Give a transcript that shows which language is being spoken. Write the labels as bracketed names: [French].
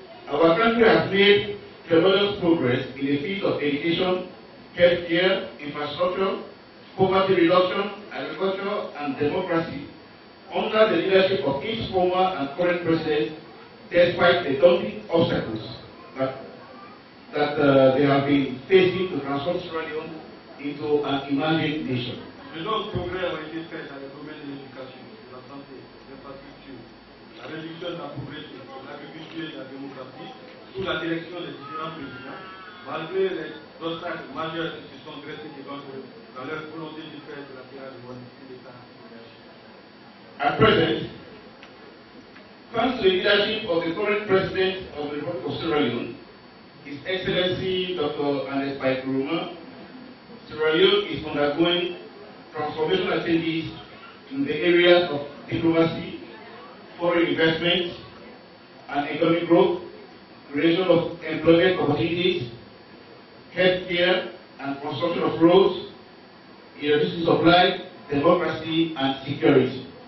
[English] our country has made tremendous progress in the field of education, health care, infrastructure, poverty reduction, agriculture, and democracy under the leadership of its former and current president, despite the daunting obstacles that they have been facing to transform Sierra Leone into an emerging nation. [French] Les nombreux progrès ont été faits dans les domaines de l'éducation, de la santé, de l'infrastructure, la réduction de la pauvreté, de l'agriculture et de la démocratie sous la direction des différents présidents, malgré les obstacles majeurs qui se sont dressés devant eux dans leur volonté de faire de la Sierra Leone un État émergent. [English] At present, thanks to the leadership of the current president of the Republic of Sierra Leone, His Excellency Dr. Ernest Bai-Koroma, Sierra Leone is undergoing transformational activities in the areas of diplomacy, foreign investments, and economic growth, creation of employment opportunities, health care and construction of roads, electricity supply, democracy and security.